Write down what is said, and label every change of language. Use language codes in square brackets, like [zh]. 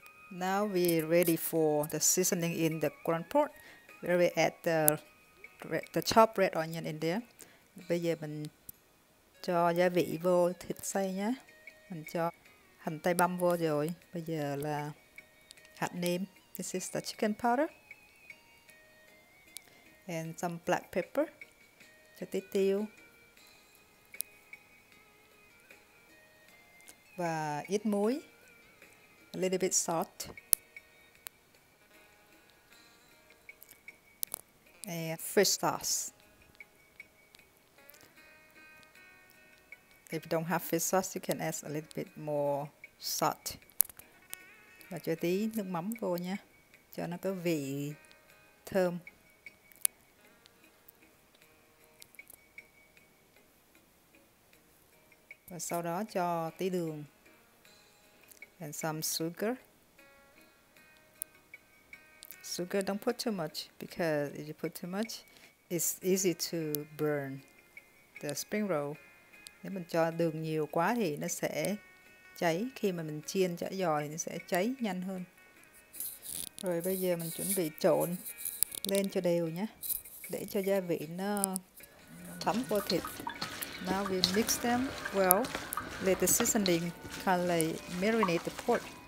[en] Now we ready for the seasoning in the ground pork. Where we add the chopped red onion in there. [vi] Bây giờ mình cho gia vị vô thịt xay nhé. Mình cho hành tây băm vô rồi. Bây giờ là hạt nêm. [en] This is the chicken powder. And some black pepper. [vi] Cho tí tiêu. Và ít muối. [en] A little bit salt. And fish sauce. If you don't have fish sauce, you can add a little bit more salt. [vi] Và cho tí nước mắm vô nha, cho nó có vị thơm. Và sau đó cho tí đường. [en] And some sugar. Sugar, don't put too much, because if you put too much, it's easy to burn the spring roll. [vi] Nếu mình cho đường nhiều quá thì nó sẽ cháy. Khi mà mình chiên chả giò thì nó sẽ cháy nhanh hơn. Rồi bây giờ mình chuẩn bị trộn lên cho đều nhé. Để cho gia vị nó thấm vô thịt. [en] Now we mix them well. Let the seasoning kind of marinate the pork.